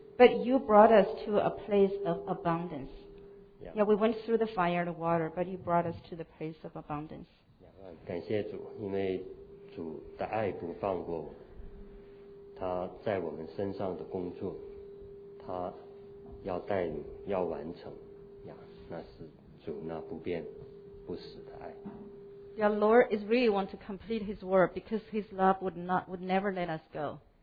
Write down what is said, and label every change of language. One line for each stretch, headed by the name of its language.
English: But you brought us to a place of abundance. Yeah. Yeah, we went through the fire and the water, but you brought us to the place of abundance.
Chinese: Yeah, 感谢主，因为主的爱不放过我，他在我们身上的工作，他要带领，要完成。 Yeah, 那是主那不变不死的爱。
English: Yeah, Lord is really want to complete His work because His love would not would never let us go.